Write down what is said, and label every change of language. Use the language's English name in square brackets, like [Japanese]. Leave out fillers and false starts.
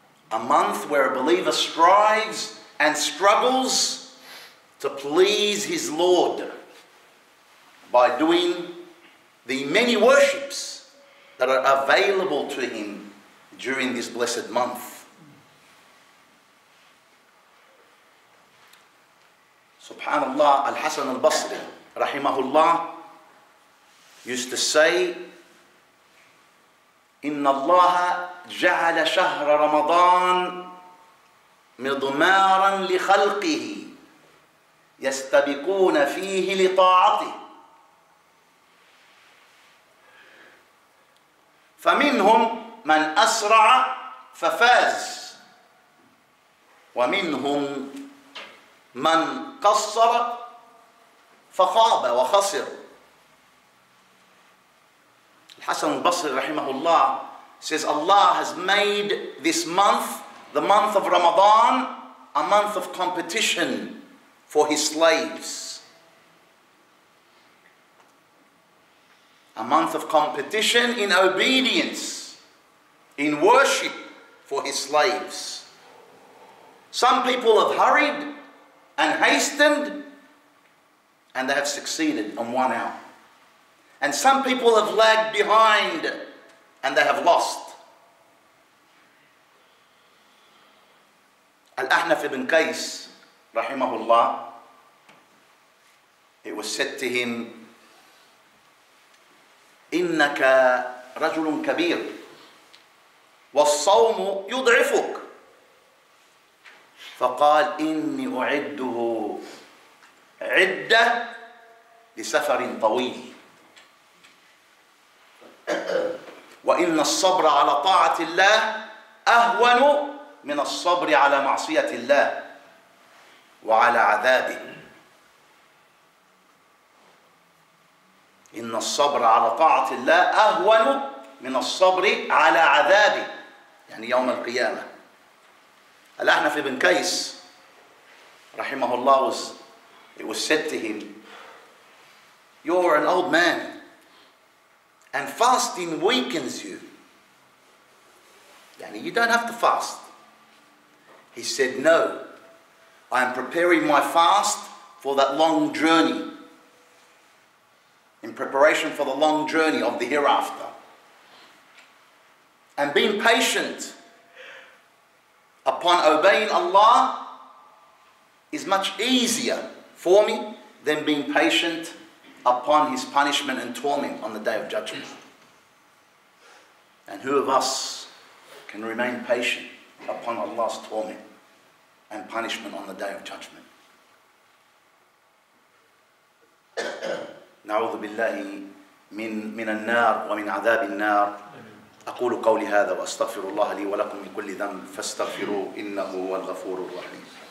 [English] A month where a believer strives and struggles to please his Lord by doing the many worships that are available to him during this blessed month. [Arabic] Subhanallah, Al-Hasan Al-Basri, Rahimahullah, [English] used to say, [Arabic] إِنَّ اللَّهَ جَعَلَ شَهْرَ رَمَضَانَ مِضْمَارًا لِخَلْقِهِ يَسْتَبِقُونَ فِيهِ لِطَاعَتِهِ فَمِنْهُمْ مَنْ أَسْرَعَ فَفَازَ وَمِنْهُمْ مَنْ قَصَّرَ فَخَابَ وَخَسِرَ. [English] Hassan al-Basri rahimahullah says, Allah has made this month, the month of Ramadan, a month of competition for his slaves. A month of competition in obedience, in worship for his slaves. Some people have hurried and hastened and they have succeeded and won out. And some people have lagged behind and they have lost. [Arabic] Al-Ahnaf ibn Qais, rahimahullah, [English] it was said to him, [Arabic] إِنَّكَ رَجُلٌ كَبِيرٌ وَالصَّوْمُ يُضْعِفُكَ فَقَالَ إِنِّي أُعِدُّهُ عِدَّةٌ لِسَفَرٍ طَوِيلٍ وَإِنَّ الصَّبْرَ عَلَى طَاعَةِ اللَّهِ أَهْوَنُ مِنَ الصَّبْرِ عَلَى مَعْصِيَةِ اللَّهِ وَعَلَى عَذَابِهِ. إِنَّ الصَّبْرَ عَلَى طَاعَةِ اللَّهِ أَهْوَنُ مِنَ الصَّبْرِ عَلَى عَذَابِهِ, يعني يوم القيامة. الأحنف بن كيس رحمه الله, [English] it was said to him, you're an old man and fasting weakens you. Yani you don't have to fast. He said, no, I am preparing my fast for that long journey, in preparation for the long journey of the hereafter. And being patient upon obeying Allah is much easier for me than being patient upon his punishment and torment on the day of judgment. And who of us can remain patient upon Allah's torment and punishment on the day of judgment? [Arabic] نعوذ بالله من النار ومن عذاب النار. أقول قولي هذا وأستغفر الله لي ولكم من كل ذنب فاستغفروا إنه هو الغفور الرحيم.